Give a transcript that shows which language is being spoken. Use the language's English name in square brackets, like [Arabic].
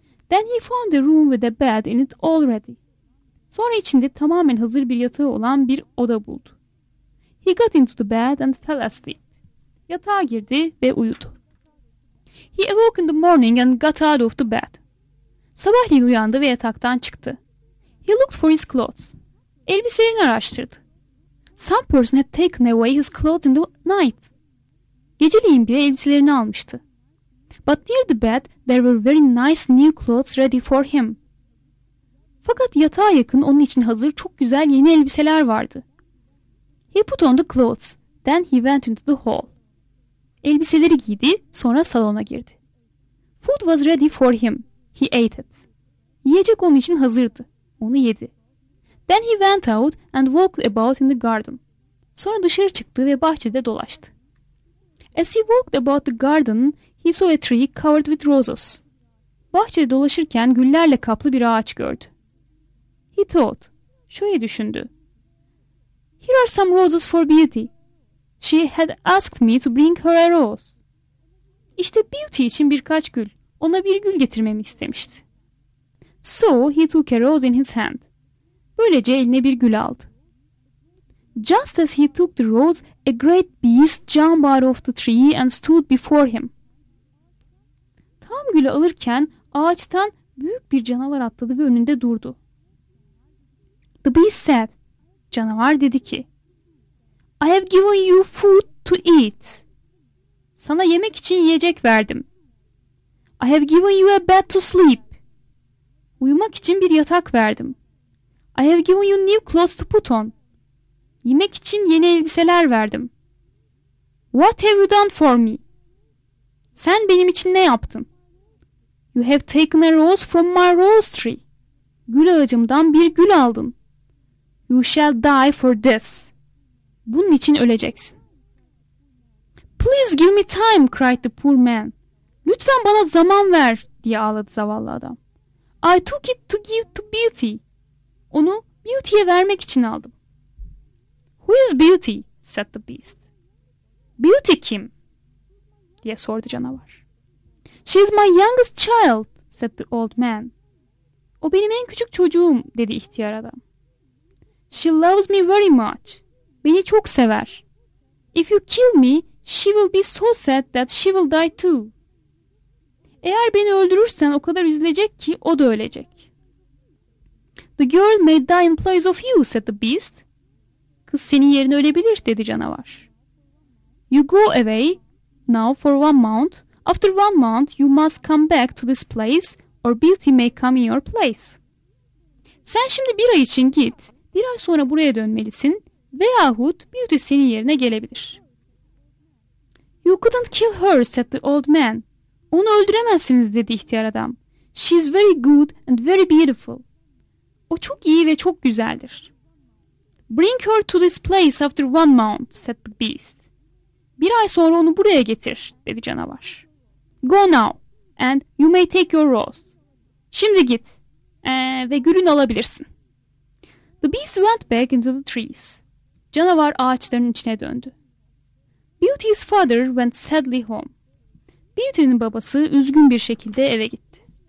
[English] Then he found a room with a bed in it already. [Turkish] Sonra içinde tamamen hazır bir yatağı olan bir oda buldu. [English] He got into the bed and fell asleep. [Turkish] Yatağa girdi ve uyudu. [English] He awoke in the morning and got out of the bed. [Turkish] Sabahleyin uyandı ve yataktan çıktı. [English] He looked for his clothes. [Turkish] Elbiselerini araştırdı. [English] Some person had taken away his clothes in the night. [Turkish] Geceleyin bile elbiselerini almıştı. [English] But near the bed there were very nice new clothes ready for him. [Turkish] Fakat yatağa yakın onun için hazır çok güzel yeni elbiseler vardı. [English] He put on the clothes. Then he went into the hall. [Turkish] Elbiseleri giydi, sonra salona girdi. [English] Food was ready for him. He ate it. [Turkish] Yiyecek onun için hazırdı. Onu yedi. [English] Then he went out and walked about in the garden. [Turkish] Sonra dışarı çıktı ve bahçede dolaştı. [English] As he walked about the garden, he saw a tree covered with roses. [Turkish] Bahçede dolaşırken güllerle kaplı bir ağaç gördü. [English] He thought. [Turkish] Şöyle düşündü. [English] Here are some roses for Beauty. She had asked me to bring her a rose. [Turkish] İşte Beauty için birkaç gül. Ona bir gül getirmemi istemişti. [English] So he took a rose in his hand. [Turkish] Böylece eline bir gül aldı. [English] Just as he took the rose, a great beast jumped out of the tree and stood before him. [Turkish] Tam gülü alırken ağaçtan büyük bir canavar atladı ve önünde durdu. [English] The beast said, [Turkish] canavar dedi ki, [English] I have given you food to eat. [Turkish] Sana yemek için yiyecek verdim. [English] I have given you a bed to sleep. [Turkish] Uyumak için bir yatak verdim. [English] I have given you new clothes to put on. [Turkish] Yemek için yeni elbiseler verdim. [English] What have you done for me? [Turkish] Sen benim için ne yaptın? [English] You have taken a rose from my rose tree. [Turkish] Gül ağacımdan bir gül aldın. [English] You shall die for this. [Turkish] Bunun için öleceksin. [English] Please give me time, cried the poor man. [Turkish] Lütfen bana zaman ver, diye ağladı zavallı adam. [English] I took it to give to Beauty. [Turkish] Onu Beauty'ye vermek için aldım. [English] Who is Beauty? Said the beast. [Turkish] Beauty kim? Diye sordu canavar. [English] She is my youngest child, said the old man. [Turkish] O benim en küçük çocuğum, dedi ihtiyar adam. [English] She loves me very much. [Turkish] Beni çok sever. [English] If you kill me, she will be so sad that she will die too. [Turkish] Eğer beni öldürürsen o kadar üzülecek ki o da ölecek. [English] The girl may die in place of you, said the beast. [Turkish] Kız senin yerine ölebilir, dedi canavar. [English] You go away now for 1 month. After 1 month, you must come back to this place or Beauty may come in your place. [Turkish] Sen şimdi bir ay için git. Bir ay sonra buraya dönmelisin veyahut Beauty senin yerine gelebilir. [English] You couldn't kill her, said the old man. [Turkish] Onu öldüremezsiniz, dedi ihtiyar adam. [English] She is very good and very beautiful. [Turkish] O çok iyi ve çok güzeldir. [English] Bring her to this place after 1 month, said the beast. [Turkish] Bir ay sonra onu buraya getir, dedi canavar. [English] Go now and you may take your rose. Şimdi git ve gülün alabilirsin. The beast went back into the trees. [Turkish] Canavar ağaçların içine döndü. [English] Beauty's father went sadly home. [Turkish] Beauty'nin babası üzgün bir şekilde eve gitti.